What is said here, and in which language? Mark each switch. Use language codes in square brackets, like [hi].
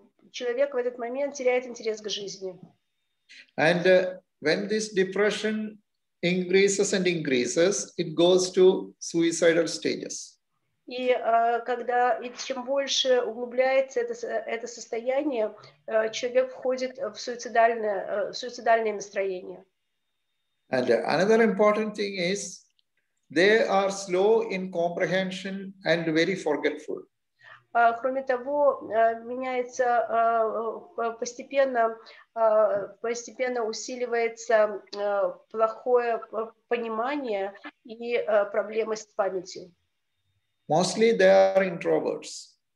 [ru] Человек в этот момент теряет интерес к жизни. [en] And when this depression increases and increases, it goes to suicidal stages. [ru] И когда и чем больше углубляется это состояние, человек входит в суицидальное настроение. [en] And another important thing is they are slow in comprehension and very forgetful. [ru] Кроме того, меняется постепенно усиливается плохое понимание и проблемы с памятью. [en] Mostly they are introverts.